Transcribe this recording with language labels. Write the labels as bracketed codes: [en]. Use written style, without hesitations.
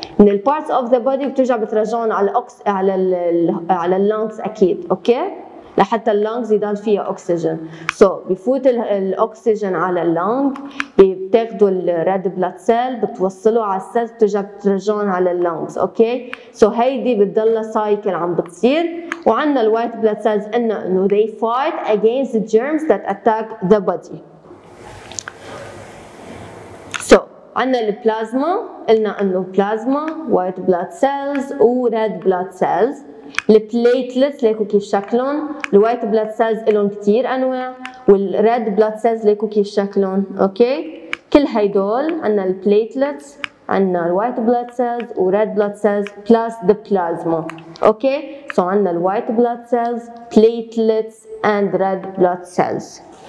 [ar] من ال [en] parts of the body [ar] بترجع بترجعون على الأكس على ال على ال lungs أكيد. أوكي؟ لحتى ال lungs يضل فيها أكسجين. So بفوت ال الأكسجين على ال lung بتاخدوا ال red blood cell بتوصلوا على ال cells بترجع بترجعون على ال lungs. أوكي؟ So هيدي بتضلها سايكل عم بتصير. وعندنا ال white blood cells إنه [en] they fight against the germs that attack the body. [ar] عندنا البلازما قلنا انه بلازما وايت بلاد سيلز وريد بلاد سيلز البليتلتس ليكو كيف شكلهم الوايت بلاد سيلز لهم كثير انواع والريد بلاد سيلز ليكو كيف شكلهم اوكي كل هيدول عندنا البليتلتس عندنا الوايت بلاد سيلز وريد بلاد سيلز بلس ذا بلازما اوكي سو عندنا الوايت بلاد سيلز بليتلتس اند ريد بلاد سيلز